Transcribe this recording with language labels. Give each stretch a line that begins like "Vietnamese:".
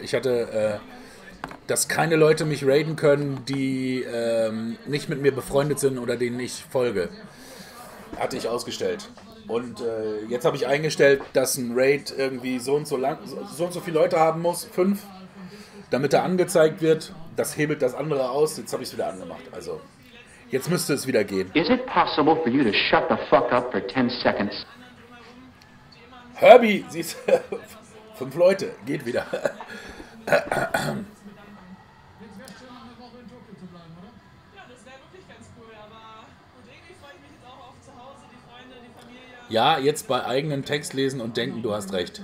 German: Ich hatte, dass keine Leute mich raiden können, die nicht mit mir befreundet sind oder denen ich folge. Hatte ich ausgestellt. Und jetzt habe ich eingestellt, dass ein Raid irgendwie so und so viele Leute haben muss, 5, damit er angezeigt wird. Das hebelt das andere aus. Jetzt habe ich es wieder angemacht. Also, jetzt müsste es wieder gehen.
English: Is it possible for you to shut the fuck up for 10 seconds?
German: Herbie, sie ist 5 Leute, geht wieder. Jetzt wäre es schön, eine Woche in Tokio zu bleiben, oder? Ja, das wäre wirklich ganz cool, aber und irgendwie freue ich mich jetzt auch auf zu Hause, die Freunde, die Familie. Ja, jetzt bei eigenem Text lesen und denken, du hast recht.